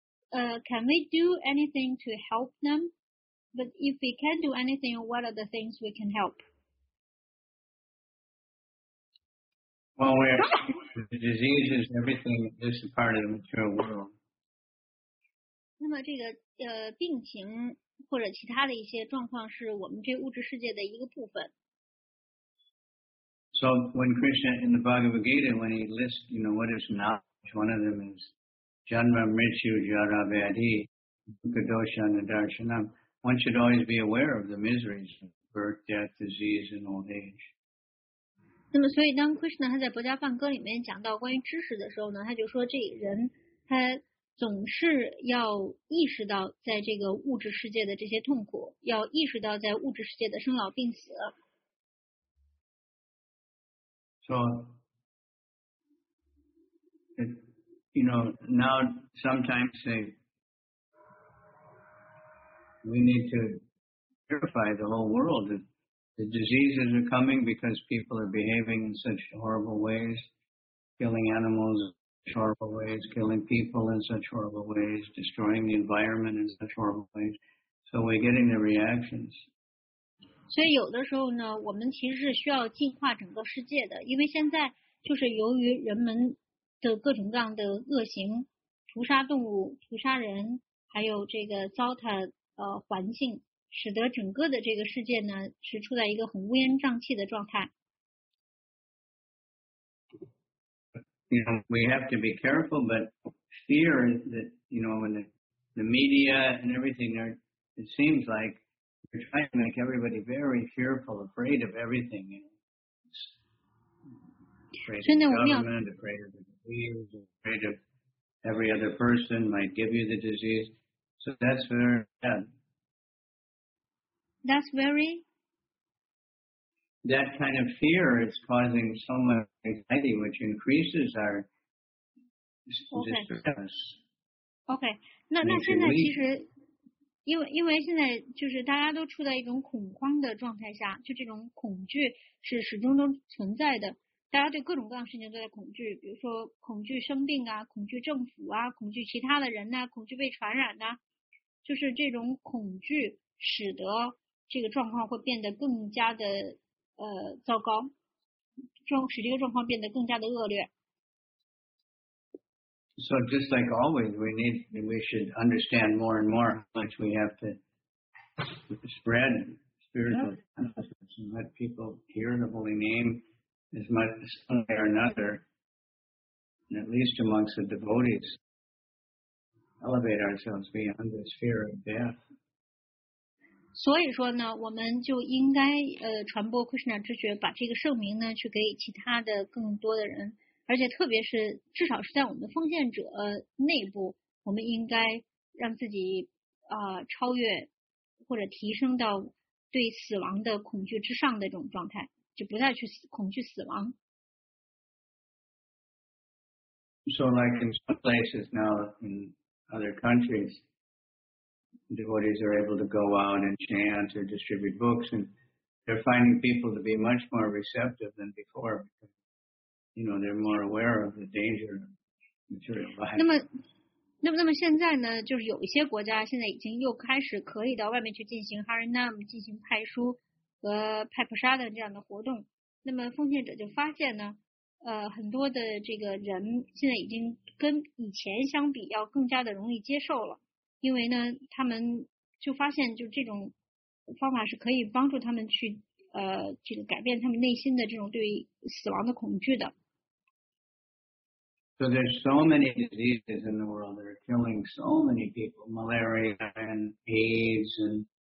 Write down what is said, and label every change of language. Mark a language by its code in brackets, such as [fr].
[en] Can we do anything to help them? But if we can do anything, what are the things we can help? Well, we're, the disease is everything, is a part of the material world. [zh] 那么这个病情或者其他的一些状况是我们这物质世界的一个部分。 [en] So when Krishna in the Bhagavad Gita, when he lists, you know, what is knowledge, one of them is [sa] janma, mrityu, jara, vyadhi, dukkha, dosha, nidarshanam. [en] One should always be aware of the miseries of birth, death, disease, and old age. [zh] 那么所以当 Krishna 他在博迦梵歌里面讲到关于知识的时候呢，他就说这人他总是要意识到在这个物质世界的这些痛苦，要意识到在物质世界的生老病死。 [en] So, it, you know, now sometimes say we need to purify the whole world. The diseases are coming because people are behaving in such horrible ways, killing animals in such horrible ways, killing people in such horrible ways, destroying the environment in such horrible ways. So we're getting the reactions. [zh] 所以有的时候呢，我们其实是需要净化整个世界的，因为现在就是由于人们的各种各样的恶行，屠杀动物、屠杀人，还有这个糟蹋环境，使得整个的这个世界呢是处在一个很乌烟瘴气的状态。 [en] You know, we have to be careful, but fear that you know when the media and everything are, it seems like. We're trying to make everybody very fearful, afraid of everything. Afraid of government, afraid of the disease, afraid of every other person might give you the disease. So that's very bad. That's very? That kind of fear is causing so much anxiety, which increases our distress. Okay. [zh] 那现在其实因为现在就是大家都处在一种恐慌的状态下，就这种恐惧是始终都存在的。大家对各种各样事情都在恐惧，比如说恐惧生病啊，恐惧政府啊，恐惧其他的人呐、啊，恐惧被传染呐、啊，就是这种恐惧使得这个状况会变得更加的糟糕，使这个状况变得更加的恶劣。 [en] So just like always, we should understand more and more how much we have to spread spiritual consciousness and let people hear the holy name as much as one way or another, and at least amongst the devotees, elevate ourselves beyond this fear of death. [zh] 所以说呢，我们就应该传播 Krishna 之学，把这个圣名呢去给其他的更多的人。而且特别是至少是在我们的奉献者内部，我们应该让自己超越或者提升到对死亡的恐惧之上的这种状态，就不再去恐惧死亡。 [en] So like in some places now in other countries, devotees are able to go out and chant or distribute books, and they're finding people to be much more receptive than before. You know, they're more aware of the danger of material life. [zh] 那么现在呢，就是有一些国家现在已经又开始可以到外面去进行 Harinam, 进行派书和派普沙的这样的活动。那么奉献者就发现呢，很多的这个人现在已经跟以前相比要更加的容易接受了。因为呢，他们就发现就这种方法是可以帮助他们去这个改变他们内心的这种对死亡的恐惧的。 [en] So there's so many diseases in the world that are killing so many people, malaria and AIDS and